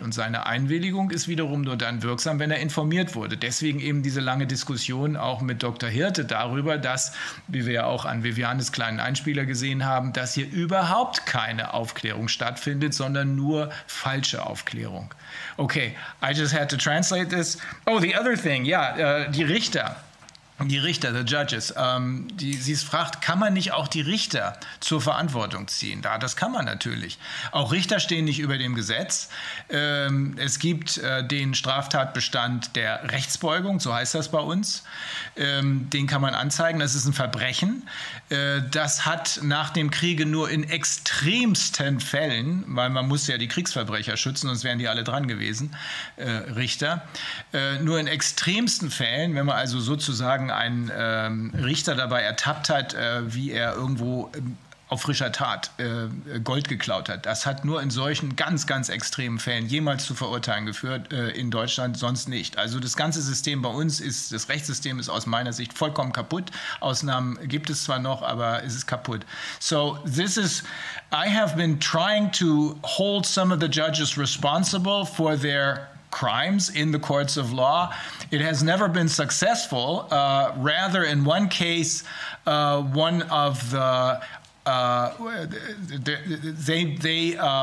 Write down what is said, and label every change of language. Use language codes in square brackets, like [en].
[de] Und seine Einwilligung ist wiederum nur dann wirksam, wenn er informiert wurde. Deswegen eben diese lange Diskussion auch mit Dr. Hirte darüber, dass, wie wir ja auch an Vivianes kleinen Einspieler gesehen haben, dass hier überhaupt keine Aufklärung stattfindet, sondern nur falsche Aufklärung. [en] Okay, I just had to translate this. Oh, the other thing, [de] ja, die Richter. Die Richter, [en] the judges, [de] sie fragt, kann man nicht auch die Richter zur Verantwortung ziehen? Ja, das kann man natürlich. Auch Richter stehen nicht über dem Gesetz. Es gibt den Straftatbestand der Rechtsbeugung, so heißt das bei uns. Den kann man anzeigen, das ist ein Verbrechen. Das hat nach dem Kriege nur in extremsten Fällen, weil man musste ja die Kriegsverbrecher schützen, sonst wären die alle dran gewesen, Richter, nur in extremsten Fällen, wenn man also sozusagen einen Richter dabei ertappt hat, wie er irgendwo auf frischer Tat Gold geklaut hat. Das hat nur in solchen ganz, ganz extremen Fällen jemals zu Verurteilen geführt, in Deutschland sonst nicht. Also das ganze System bei uns ist, das Rechtssystem ist aus meiner Sicht vollkommen kaputt. Ausnahmen gibt es zwar noch, aber es ist kaputt. [en] So this is, I have been trying to hold some of the judges responsible for their crimes in the courts of law. It has never been successful. Rather, in one case, one of the they